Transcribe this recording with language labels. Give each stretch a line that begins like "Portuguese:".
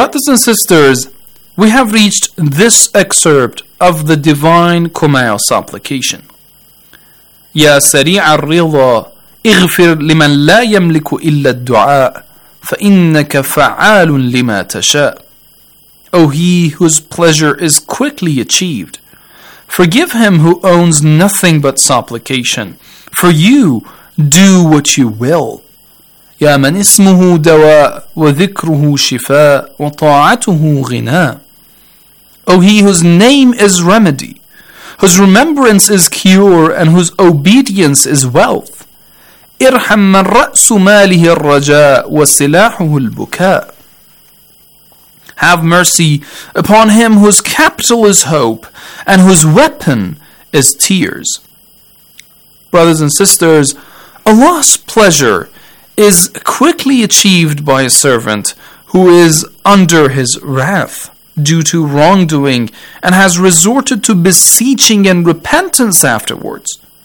English: Brothers and sisters, we have reached this excerpt of the Divine Kumail supplication.
Arabic: يا سريع الرضا اغفر لمن لا يملك إلا الدعاء فإنك فعال لما تشاء.
English: O he whose pleasure is quickly achieved, forgive him who owns nothing but supplication, for you do what you will.
Arabic: يا من اسمه دواء وذكره شفاء وطاعته غناء.
English: O he whose name is remedy, whose remembrance is cure and whose obedience is wealth.
Arabic: ارحم من رأس ماله الرجاء وسلاحه البكاء.
English: Have mercy upon him whose capital is hope and whose weapon is tears. Brothers and sisters, Allah's pleasure is quickly achieved by a servant who is under his wrath due to wrongdoing and has resorted to beseeching and repentance afterwards.